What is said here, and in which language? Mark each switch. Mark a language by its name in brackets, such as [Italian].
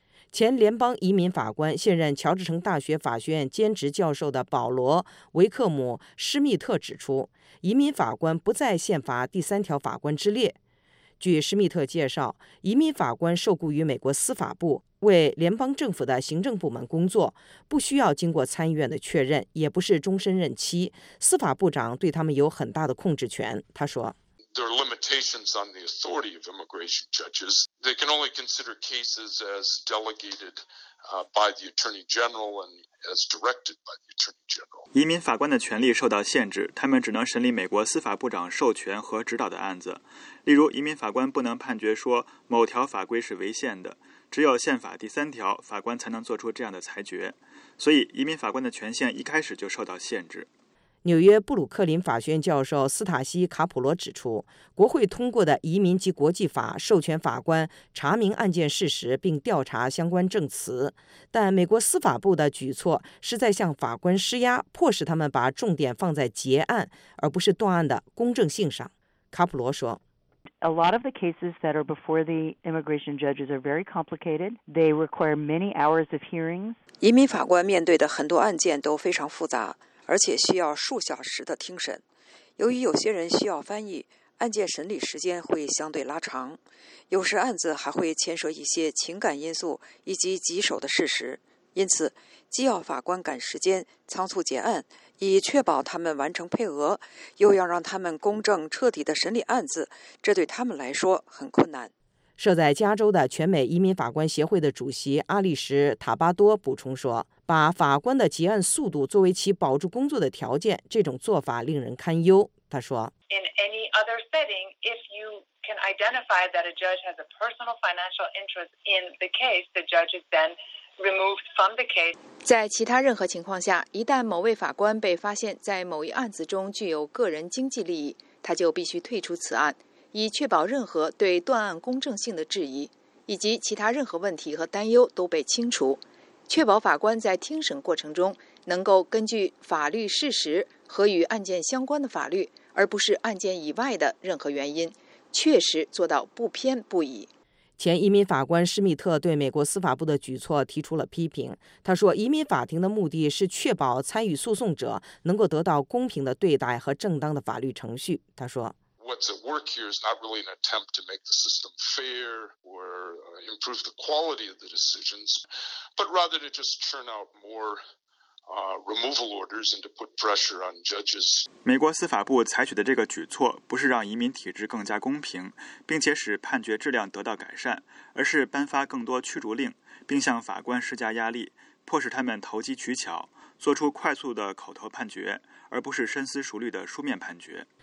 [Chinese] 前联邦移民法官、现任乔治城大学法学院兼职教授的保罗·维克姆·施密特指出，移民法官不在宪法第三条法官之列。据施密特介绍，移民法官受雇于美国司法部，为联邦政府的行政部门工作，不需要经过参议院的确认，也不是终身任期，司法部长对他们有很大的控制权。他说， [English] there are limitations on the authority of immigration judges. They can only consider cases as delegated by the Attorney General and as directed by the Attorney General. [Chinese] 移民法官的权力受到限制，他们只能审理美国司法部长授权和指导的案子。例如，移民法官不能判决说某条法规是违宪的，只有宪法第三条，法官才能做出这样的裁决。所以，移民法官的权限一开始就受到限制。纽约布鲁克林法学院教授斯塔西·卡普罗指出，国会通过的移民及国际法授权法官查明案件事实并调查相关证词，但美国司法部的举措是在向法官施压，迫使他们把重点放在结案而不是断案的公正性上。卡普罗说， [English] A lot of the cases that are before the immigration judges are very complicated. They require many hours of hearings. [Chinese] 移民法官面对的很多案件都非常复杂，而且需要数小时的听审。由于有些人需要翻译，案件审理时间会相对拉长。有时案子还会牵涉一些情感因素以及棘手的事实，因此既要法官赶时间仓促结案，以确保他们完成配额，又要让他们公正彻底的审理案子，这对他们来说很困难。设在加州的全美移民法官协会的主席阿利什·塔巴多补充说，把法官的结案速度作为其保住工作的条件，这种做法令人堪忧。他说， [English] In any other setting, if you can identify that a judge has a personal financial interest in the case, the judge is then removed from the case. [Chinese] 在其他任何情况下，一旦某位法官被发现在某一案子中具有个人经济利益，他就必须退出此案，以确保任何对断案公正性的质疑以及其他任何问题和担忧都被清除，确保法官在听审过程中能够根据法律事实和与案件相关的法律，而不是案件以外的任何原因，确实做到不偏不倚。前移民法官施密特对美国司法部的举措提出了批评，他说，移民法庭的目的是确保参与诉讼者能够得到公平的对待和正当的法律程序。他说， [English] What's at work here is not really an attempt to make the system fair or improve the quality of the decisions, but rather to just churn out more removal orders and to put pressure on judges. [Chinese] 美国司法部采取的这个举措不是让移民体制更加公平，并且使判决质量得到改善，而是颁发更多驱逐令，并向法官施加压力，迫使他们投机取巧，做出快速的口头判决，而不是深思熟虑的书面判决。